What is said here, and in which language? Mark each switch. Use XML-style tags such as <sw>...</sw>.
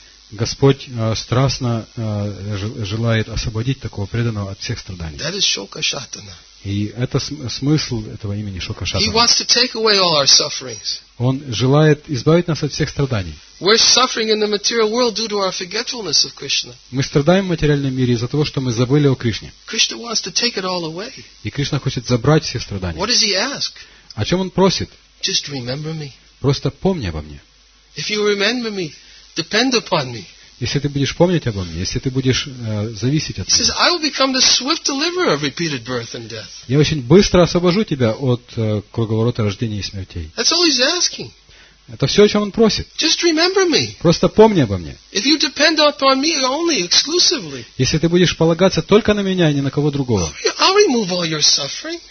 <ru>Господь страстно желает освободить такого преданного от всех страданий. И это смысл этого имени Шокашатана. Он желает избавить нас от всех страданий.</ru> <en>We're suffering in the material world due to our forgetfulness of Krishna.</en> <ru>Мы страдаем в материальном мире из-за того, что мы забыли о Кришне.</ru> <en>Krishna wants to take it all away.</en> <ru>И Кришна хочет забрать все страдания.</ru> <en>What does he ask?</en> <ru>О чем он просит?</ru> <en>Just remember me.</en> <ru>Просто помни обо мне.</ru> <en>If you remember me, depend upon me.</en> <ru>Если ты будешь помнить обо мне, если ты будешь зависеть от меня.</ru> <en>He says, I will become the swift deliverer of repeated birth and death.</en> <ru>Я очень быстро освобожу тебя от круговорота рождения и смертей.</ru> <en>That's all he's asking.</en> <ru>Это все, о чем он просит.</ru> <en>Just remember me.</en> <ru>Просто помни обо мне.</ru> <en>If you depend upon me only, exclusively,</en> <ru>если ты будешь полагаться только на меня, а не на кого другого,</ru> <en>I'll remove all your suffering.</en>